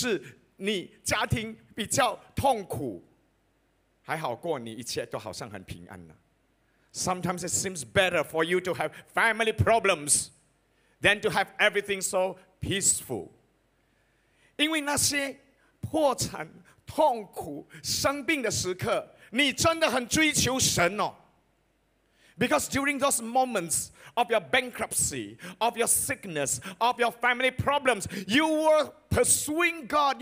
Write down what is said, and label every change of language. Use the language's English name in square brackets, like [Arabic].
[Chinese] 你说真的是你家庭 比较痛苦, 还好过你一切都好像很平安呢。 [English] Sometimes it seems better for you to have family problems than to have everything so peaceful. [Chinese] 因为那些破产、痛苦、生病的时刻, 你真的很追求神哦。 [English] Because during those moments of your bankruptcy, of your sickness, of your family problems, you were pursuing God.